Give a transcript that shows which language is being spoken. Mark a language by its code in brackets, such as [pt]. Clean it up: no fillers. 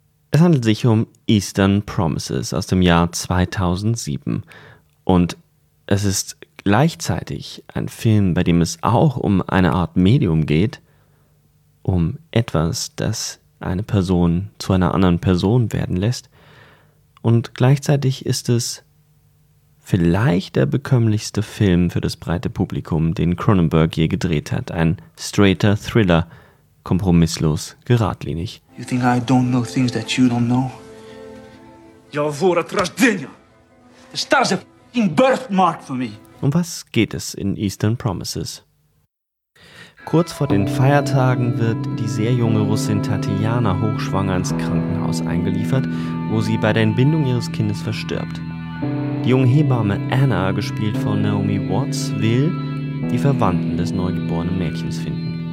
[de] Es handelt sich um Eastern Promises aus dem Jahr 2007 und es ist gleichzeitig ein Film, bei dem es auch um eine Art Medium geht, um etwas, das eine Person zu einer anderen Person werden lässt, und gleichzeitig ist es vielleicht der bekömmlichste Film für das breite Publikum, den Cronenberg je gedreht hat, ein straighter Thriller, kompromisslos, geradlinig. [en] You think I don't know things that you don't know? [ru] Я вор от рождения. [en] The stars are fucking birthmark for me. [de] Um was geht es in Eastern Promises? Kurz vor den Feiertagen wird die sehr junge Russin Tatjana hochschwanger ins Krankenhaus eingeliefert, wo sie bei der Entbindung ihres Kindes verstirbt. Die junge Hebamme Anna, gespielt von Naomi Watts, will die Verwandten des neugeborenen Mädchens finden.